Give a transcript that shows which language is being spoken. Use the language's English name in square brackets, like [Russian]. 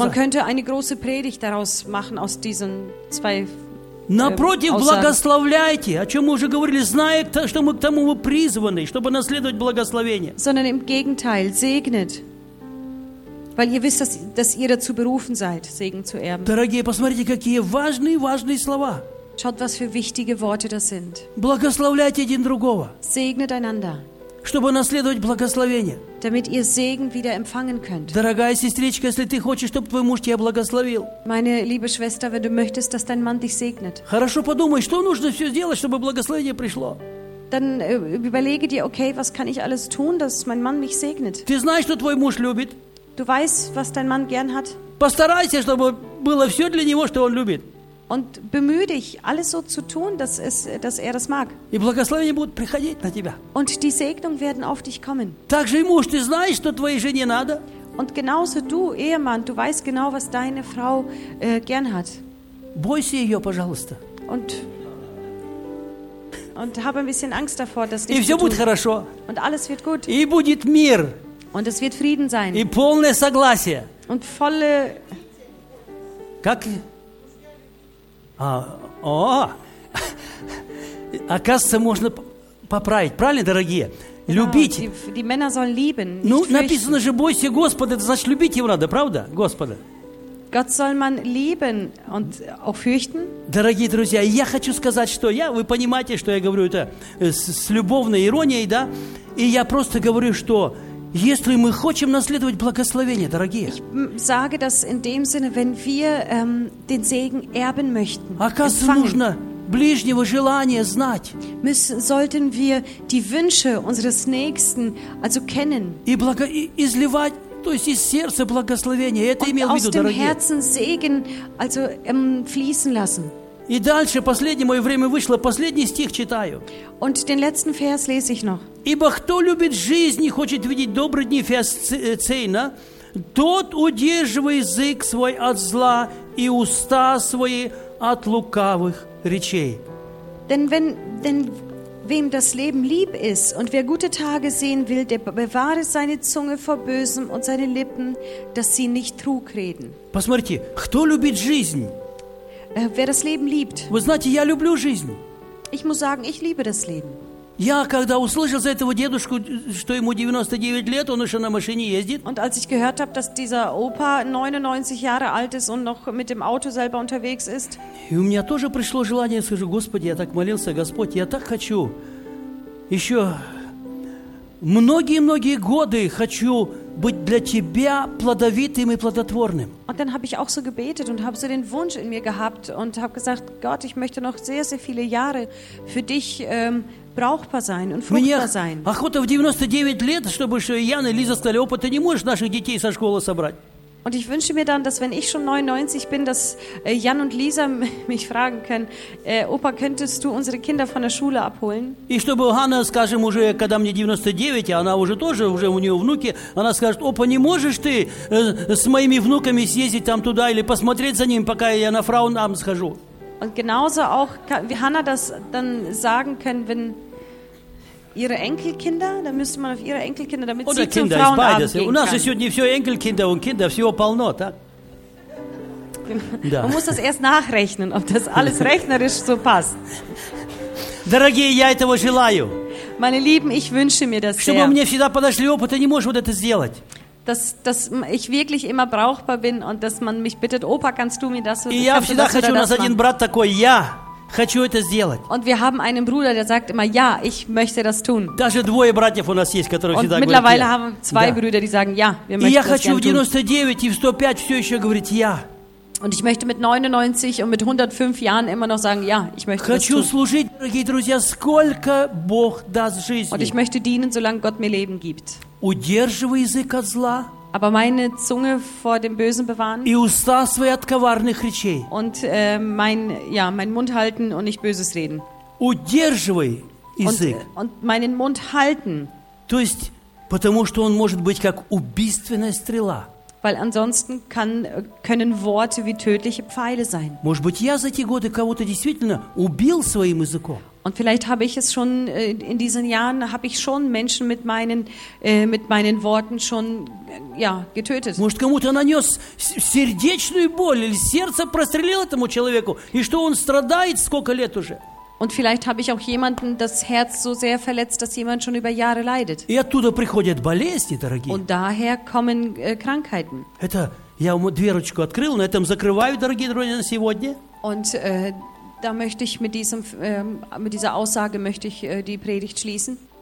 [German] Man könnte eine große Predigt daraus machen aus diesen zwei [Russian] Напротив, благословляйте, о чем мы уже говорили, зная, что мы к тому мы призваны, чтобы наследовать благословение. [German] Sondern im Gegenteil, segnet. Weil ihr wisst, dass ihr dazu berufen seid, Segen zu erben. [Russian] Дорогие, посмотрите, какие важные слова. [German] Schaut, was für wichtige Worte das sind. [Russian] Благословляйте один другого. [German] Segnet einander. [Russian] Чтобы наследовать благословение. [German] Damit ihr Segen wieder empfangen könnt. [Russian] Дорогая сестричка, если ты хочешь, чтобы твой муж тебя благословил. [German] Meine liebe Schwester, wenn du möchtest, dass dein Mann dich segnet. [Russian] Хорошо подумай, что нужно все сделать, чтобы благословение пришло. [German] Dann überlege dir, okay, was kann ich alles tun, dass mein Mann mich segnet. [Russian] Ты знаешь, что твой муж любит. [German] Du weißt, was dein Mann gern hat. [Russian] Постарайся, чтобы было все для него, что он любит. [German] Und bemühe dich, alles so zu tun, dass er das mag. [Russian] И благословения будут приходить на тебя. [German] Und die Segnung werden auf dich kommen. [Russian] Также и муж, ты знаешь, что твоей жене надо. [German] Und genauso du, Ehemann, du weißt genau, was deine Frau gern hat. [Russian] Бойся ее, пожалуйста. [German] Und habe ein bisschen Angst davor, dass dich. [Russian] И все будет хорошо. [German] Und alles wird gut. [Russian] И будет мир. [German] Und es wird Frieden sein. [Russian] И полное согласие. [German] Und volle. [Russian] Как? Оказывается, можно поправить. Правильно, дорогие? Любить. [German] Die Männer sollen lieben, nicht [Russian] ну, написано [German] fürchten. [Russian] Же, бойся Господа, это значит, любить его надо, правда, Господа? [German] Gott soll man lieben und auch fürchten? [Russian] Дорогие друзья, я хочу сказать, что я, вы понимаете, что я говорю это с любовной иронией, да? И я просто говорю, что если мы хотим наследовать благословение, дорогие. [German] Ich sage das in dem Sinne, wenn wir den Segen erben möchten. [Russian] Оказывается, нужно ближнего желания знать. [German] Sollten wir die Wünsche unseres Nächsten also kennen. [Russian] И изливать, то есть из сердца благословение. Это имел в виду, дорогие. [German] Aus dem Herzen Segen also fließen lassen. [Russian] И дальше, последнее мое время вышло, последний стих читаю. [German] Und den letzten Vers lese ich noch. [Russian] Ибо кто любит жизнь и хочет видеть добрые дни Фиасцейна, тот удерживает язык свой от зла и уста свои от лукавых речей. [German] Denn wem das Leben lieb ist und wer gute Tage sehen will, der bewahre seine Zunge vor Bösem und seine Lippen, dass sie nicht Trug reden. [Russian] Посмотрите, кто любит жизнь? [German] Wer das Leben liebt. [Russian] Вы знаете, я люблю жизнь. [German] Ich muss sagen, ich liebe das Leben. [Russian] Я когда услышал за этого дедушку, что ему 99 лет, он еще на машине ездит. [German] Und als ich gehört habe, dass dieser Opa 99 Jahre alt ist und noch mit dem Auto selber unterwegs ist. [Russian] И у меня тоже пришло желание, скажу, Господи, я так молился, Господь, я так хочу. Еще многие-многие годы хочу быть для тебя плодовитым и плодотворным. [German] Und dann habe ich auch so gebetet und habe so den Wunsch in mir gehabt und habe gesagt, Gott, ich möchte noch sehr, sehr viele Jahre für dich brauchbar sein und fruchtbar sein. [Russian] Мне охота в 99 лет, чтобы еще Яна и Лиза сказали, опа, ты не можешь наших детей со школы собрать. [German] Und ich wünsche mir dann, dass wenn ich schon 99 bin, dass Jan und Lisa mich fragen können, Opa, könntest du unsere Kinder von der Schule abholen? [Russian] И чтобы Ганна, скажем, уже, когда мне 99, а она уже тоже, уже у нее внуки, она скажет, Опа, не можешь ты с моими внуками съездить там туда или посмотреть за ним, пока я на Frauenabend схожу? [German] Und genauso auch, wie Hanna das dann sagen können, wenn ihre Enkelkinder, da müsste man auf ihre Enkelkinder, damit oder sie Kinder, zum Frauenabend gehen kann. [Russian] У нас [German] ist heute nicht [Russian] все [German] Enkelkinder und Kinder, [Russian] всего полно, так? Да. [German] Man muss das erst nachrechnen, ob das alles rechnerisch so passt. [Russian] Дорогие, я этого желаю. [German] Meine Lieben, ich wünsche mir das [Russian] чтобы мне всегда подошли опыты, не можешь вот это сделать. [German] Dass ich wirklich immer brauchbar bin und dass man mich bittet, Opa, kannst du mir das oder das machen? Ja, ich möchte, dass ein Bruder [Russian] такой, [German] ja, [Russian] хочу это сделать. [German] Und wir haben einen Bruder, der sagt immer, ja, ich möchte das tun. [Russian] Даже двое братьев у нас есть, которые всегда [German] Und mittlerweile haben wir zwei Brüder, die sagen, ja, wir möchten das tun. [Russian] Я хочу в 99 и в 105 все еще говорить, ja. [German] Und ich möchte mit 99 und mit 105 Jahren immer noch sagen, ja, ich möchte das tun. [Russian] Хочу служить, дорогие друзья, сколько Бог даст жизни. [German] Und ich möchte dienen, solange Gott mir Leben gibt. [Russian] Удерживай язык от зла. [German] Aber meine Zunge vor dem Bösen bewahren. [Russian] И уста свои от коварных речей. [German] Und mein Mund halten und nicht Böses reden. [Russian] Удерживай язык. [German] Und meinen Mund halten. [Russian] То есть, потому что он может быть как убийственная стрела. [German] Weil ansonsten können Worte wie tödliche Pfeile sein. [Russian] Может быть, я за эти годы кого-то действительно убил своим языком. [German] Und vielleicht habe ich es schon in diesen Jahren habe ich schon Menschen mit meinen Worten schon getötet. [Russian] Может, кому-то нанес сердечную боль или сердце прострелил этому человеку и что он страдает сколько лет уже? [German] Und vielleicht habe ich auch jemanden das Herz so sehr verletzt, dass jemand schon über Jahre leidet. [Russian] И оттуда приходят болезни, дорогие. [German] Und daher kommen Krankheiten. [Russian] Это я вам дверочку открыл, на этом закрываю, дорогие друзья, на сегодня. [German] Und da möchte ich mit dieser Aussage möchte ich die Predigt schließen.